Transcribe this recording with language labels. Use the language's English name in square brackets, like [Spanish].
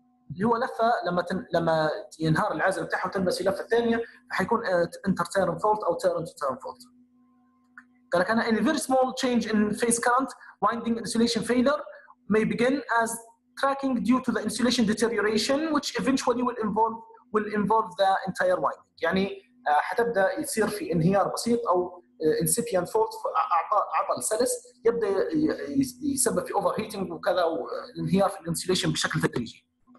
[Arabic] اللي هو لفه لما ينهار العازل بتاعها وتلبس في لفه ثانيه حيكون انتر تيرن فولت او تيرن تو تيرن فولت. قال لك انا [English] in a very small change in phase current winding insulation failure may begin as cracking due to the insulation deterioration which eventually will involve the entire winding. [Arabic] يعني حتبدا يصير في انهيار بسيط او incipient fault عطل سلس يبدا يسبب في اوفر هيتنج وكذا وانهيار في الانسوليشن بشكل تدريجي.